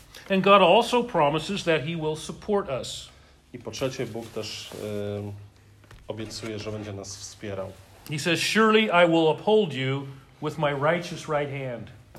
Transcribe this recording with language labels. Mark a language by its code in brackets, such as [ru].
[en] And God also promises that he will support us. [pl] I po trzecie, Bóg też obiecuje, że będzie nas wspierał. [en] He says, surely I will uphold you with my righteous right hand.